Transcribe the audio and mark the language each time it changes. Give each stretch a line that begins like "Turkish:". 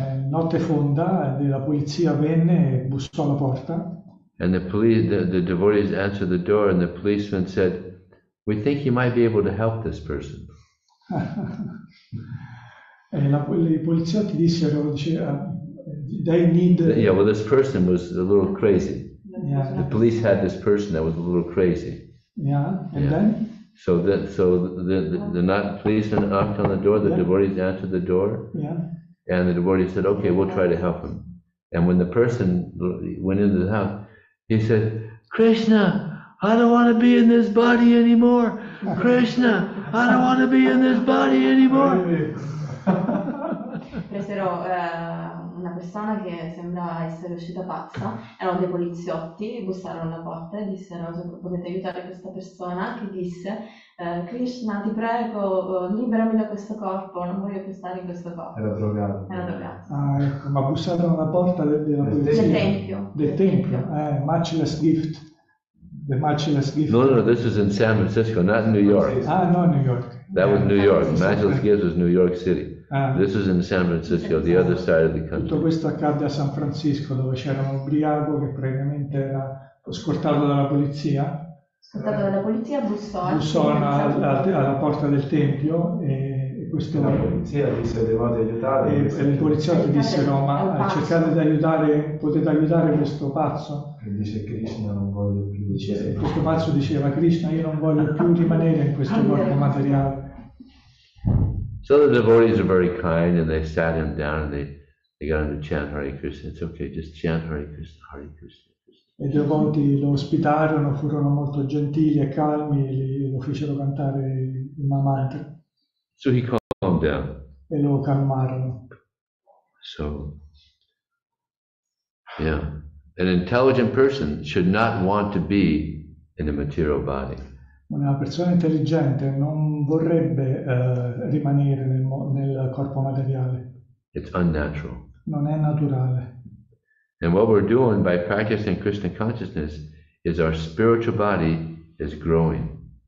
Italian: Notte fonda, la polizia venne e bussò alla porta.
English: And the police, the devotees answered the door, and the policeman said, "We think you might be able to help this person." "They need." Yeah, well, this person was a little crazy. Yeah. The police had this person that was a little crazy. Yeah. So that the policeman knocked on the door, devotees answered the door. Yeah. And the devotees said, "Okay, we'll try to help him." And when the person went into the house, he said, "Krishna, I don't want to be in this body anymore. Krishna, I don't want to be in this body anymore."
Italian: Presero una persona che sembrava essere uscita pazza, erano dei poliziotti, bussarono alla porta e dissero: "Potete aiutare questa persona?" Che disse: "Krishna, ti prego, liberami da questo corpo, non voglio più stare in questo corpo." Era drogato. Ah, ecco, ma bussarono alla porta della polizia. Del tempio.
English: The matchless gift. No, this is in San Francisco, not in New York. Ah, no, New York. That was New York. Matchless gift was New York City. This is in San Francisco, the other side of the country.
Italian: Tutto questo accadde a San Francisco, dove c'era un ubriaco che praticamente era scortato dalla polizia. Scortato dalla polizia, bussò. Bussò alla porta del tempio e questo. La polizia disse: "Devate aiutare." E i poliziotti dissero: "Ma cercate di aiutare, potete aiutare questo pazzo?" E dice: "Krishna, non voglio più." Questo pazzo diceva: "Krishna, io non voglio più rimanere in questo corpo materiale."
English: So the devotees are very kind, and they sat him down, and they got him to chant Hare Krishna. "It's okay, just chant Hare Krishna, Hare Krishna."
Italian: E i devoti lo ospitarono, furono molto gentili e calmi, lo fecero cantare il mantra.
English: So he calmed down.
Italian: E lo calmarono.
English: So, yeah, an intelligent person should not want to be in a material body.
Italian: Una persona intelligente non vorrebbe rimanere nel corpo materiale.
English: It's unnatural.
Italian: Non è naturale.
English: And what we're doing by practicing Krishna consciousness is our spiritual body is growing.